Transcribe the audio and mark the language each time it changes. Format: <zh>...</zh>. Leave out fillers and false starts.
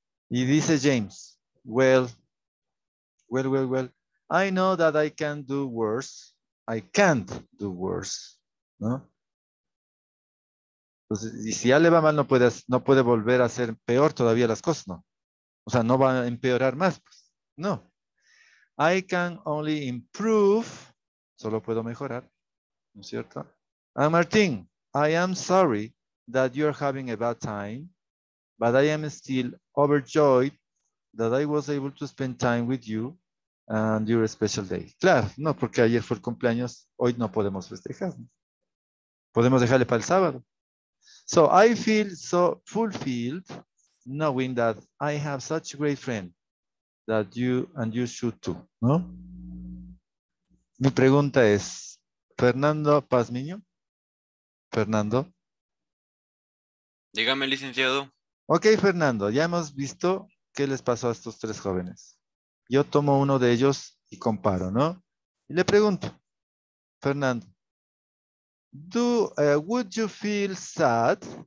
<es>Y dice</es> <en>James, well, I know that I can do worse. I can't do worse, ¿no?</en> <es>Entonces, y si ya le va mal, no puede volver a hacer peor todavía las cosas, ¿no? O sea, no va a empeorar más, pues, no.</es> <en>I can only improve,</en> <es>solo puedo mejorar, ¿no es cierto?</es> <en>And Martin, I am sorry that you're having a bad time, but I am still overjoyed that I was able to spend time with you and your special day.</en> <es>Claro, no, porque ayer fue el cumpleaños, hoy no podemos festejar. Podemos dejarle para el sábado.</es> <en>So I feel so fulfilled knowing that I have such a great friend that you and you should too, ¿no?</en> <es>Mi pregunta es, Fernando Pazmiño. Fernando. Dígame, licenciado. Ok, Fernando, ya hemos visto qué les pasó a estos tres jóvenes. Yo tomo uno de ellos y comparo, ¿no? Y le pregunto, Fernando,</es> <en>would you feel sad?</en>